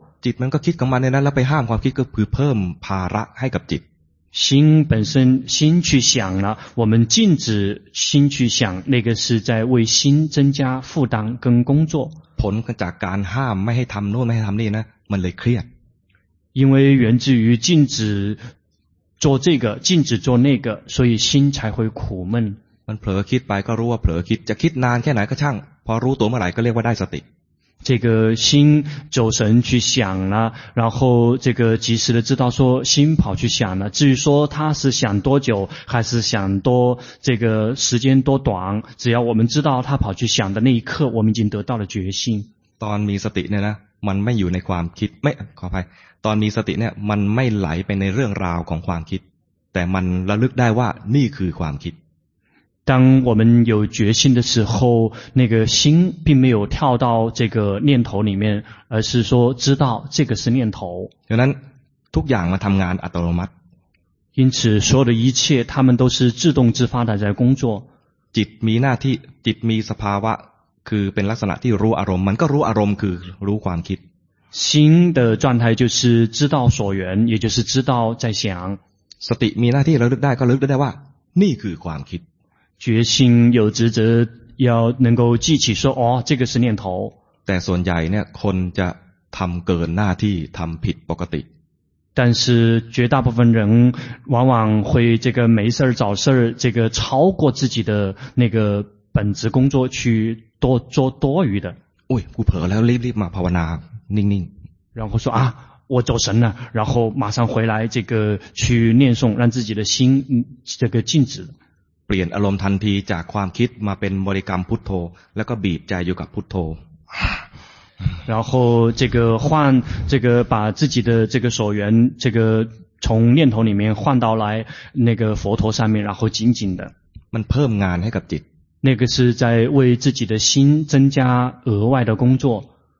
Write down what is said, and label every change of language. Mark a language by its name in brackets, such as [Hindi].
[Thai] จิตมันก็คิดกับมันในนั้นแล้วไปห้ามความคิดก็คือเพิ่มภาระให้กับจิต [Chinese] 心本身心去想了我们禁止心去想那个是在为心增加负担跟工作 [Thai] ผลจากการห้ามไม่ให้ทำโน่นไม่ให้ทำนี่นะมันเลยเครียด [Chinese] 因为源自于禁止做这个禁止做那个所以心才会苦闷 [Thai] มันเผลอคิดไปก็รู้ว่าเผลอคิดจะคิดนานแค่ไหนก็ช่างพอรู้ตัวเมื่อไหร่ก็เรียกว่าได้สติ [Chinese] 这个心走神去想了然后这个及时的知道说心跑去想了至于说他是想多久还是想多这个时间多短只要我们知道他跑去想的那一刻我们已经得到了决心 [Thai] ตอนมีสติเนี่ยนะมันไม่อยู่ในความคิดไม่ขออภัยตอนมีสติเนี่ยมันไม่ไหลไปในเรื่องราวของความคิดแต่มันระลึกได้ว่านี่คือความคิด [Chinese] 当我们有决心的时候那个心并没有跳到这个念头里面而是说知道这个是念头 [Thai] ดังนั้นทุกอย่างมาทำงานอัตโนมัติ [Chinese] 因此所有的一切他们都是自动自发的在工作 [Thai] จิตมีหน้าที่จิตมีสภาวะคือเป็นลักษณะที่รู้อารมณ์มันก็รู้อารมณ์คือรู้ความคิด [Chinese] 心的状态就是知道所缘也就是知道在想 [Thai] สติมีหน้าที่ระลึกได้ก็ระลึกได้ว่านี่คือความคิด [Chinese] 决心有职责要能够记起说哦这个是念头 [Thai] แต่ส่วนใหญ่เนี่ยคนจะทำเกินหน้าที่ทำผิดปกติ [Chinese] 但是绝大部分人往往会这个没事找事这个超过自己的那个本职工作去多做多余的 [Thai] โอ้ยกูเผลอแล้วรีบๆมาภาวนานิ่ง [Chinese] ๆ然后说啊我走神了然后马上回来这个去念诵让自己的心这个静止 [Thai] เปลี่ยนอารมณ์ทันทีจากความคิดมาเป็นบริกรรมพุทโธแล้วก็บีบใจอยู่กับพุทโธ [Chinese] 然后这个换这个把自己的这个所缘这个从念头里面换到来那个佛陀上面然后紧紧的 [Thai] มันเพิ่มงานให้กับจิต [Chinese] 那个是在为自己的心增加额外的工作